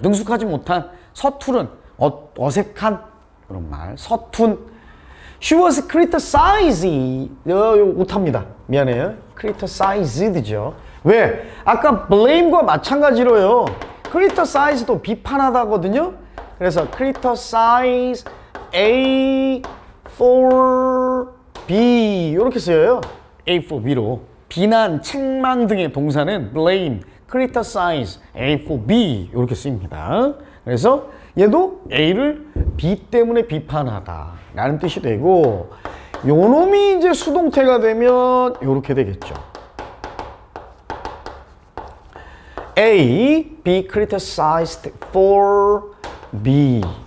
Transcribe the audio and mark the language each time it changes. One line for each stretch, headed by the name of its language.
Korean: 능숙하지 못한, 서투른, 어색한 이런 말.
English: 서툰. She was criticized.
Korean: 못합니다. 미안해요. Criticized죠. 왜? 아까 blame과 마찬가지로요. criticize도 비판하다거든요. 그래서 criticize A for B 이렇게 쓰여요. A for B로 비난, 책망 등의 동사는 blame, criticize A for B 이렇게 쓰입니다. 그래서 얘도 A를 B 때문에 비판하다 라는 뜻이 되고, 요놈이 이제 수동태가 되면 이렇게 되겠죠.
English: A, be criticized for B.